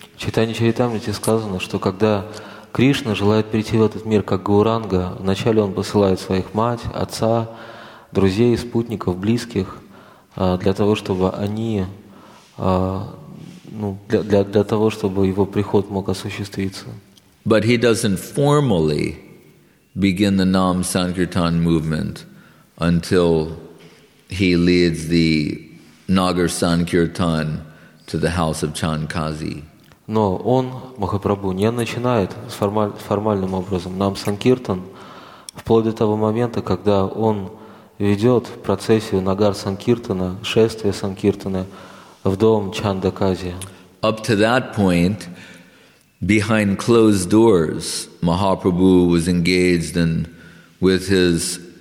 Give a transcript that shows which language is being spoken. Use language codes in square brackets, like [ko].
[ru] В Чайтанья Чаритамрите сказано, что когда Кришна желает прийти в этот мир как Гауранга, вначале он посылает своих мать, отца, друзей, спутников, близких для того, чтобы они для того, чтобы его приход мог осуществиться. [en] But he doesn't formally begin the Nam Sankirtan movement until he leads the Nagar Sankirtan to the house of Chankazi. [ru] Но он, Махапрабху, не начинает формальным образом нам санкиртан вплоть до того момента, когда он ведет процессию Нагар Санкиртана, шествие Санкиртана в дом Чандакази. [en] Up to that point, behind closed doors, Mahaprabhu was engaged in with his